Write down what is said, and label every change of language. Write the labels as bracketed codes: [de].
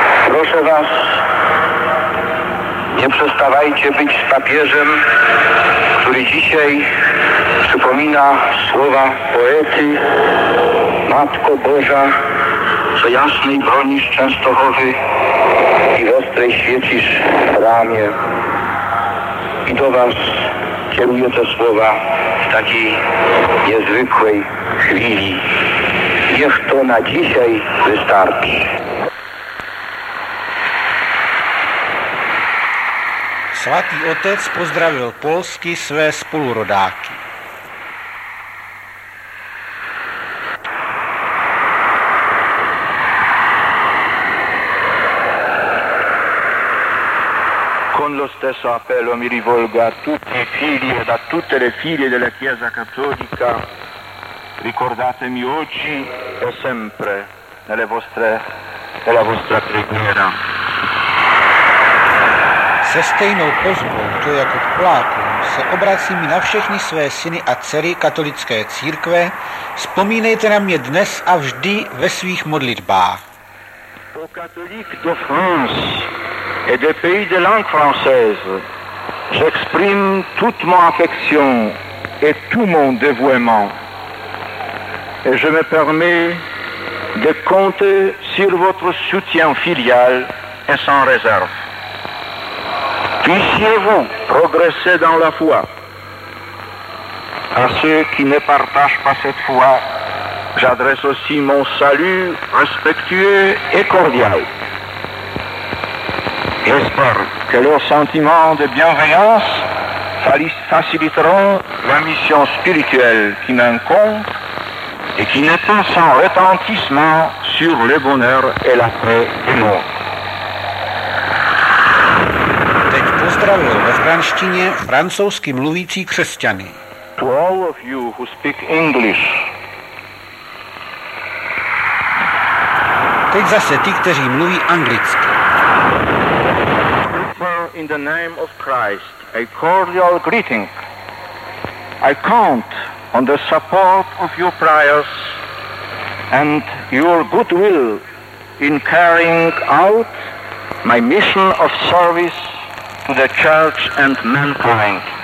[pl] Proszę was, nie przestawajcie być z papieżem, który dzisiaj przypomina słowa poety: Matko Boża, co jasnej bronisz Częstochowy i w ostrej świecisz ramię. I do was kieruję te słowa w takiej niezwykłej chwili. Niech to na dzisiaj wystarczy. [cs] Svatý Otec pozdravil Polsky své spolurodáky. [it] Stesso appello mi rivolgo a tutti i figli e a tutte le figlie della Chiesa Cattolica. Ricordatemi oggi e sempre nella vostra preghiera. [cs] Se stejnou pozvou, to jako plákům, se obracím na všechny své syny a dcery katolické církve. Vzpomínejte na mě dnes a vždy ve svých modlitbách. [fr] Au catholique de France et des pays de langue française, j'exprime toute mon affection et tout mon dévouement. Et je me permets de compter sur votre soutien filial et sans réserve. Puissiez-vous progresser dans la foi. À ceux qui ne partagent pas cette foi, j'adresse aussi mon salut respectueux et cordial. J'espère que leurs sentiments de bienveillance faciliteront la mission spirituelle qui m'incombe et qui n'est pas sans retentissement sur le bonheur et la paix du monde. [cs] Teď pozdravil ve franštině francouzsky mluvící křesťany. [en] To all of you who speak English. [cs] Teď zase ty, kteří mluví anglicky. [en] In the name of Christ, a cordial greeting. I count on the support of your prayers and your goodwill in carrying out my mission of service to the church and mankind.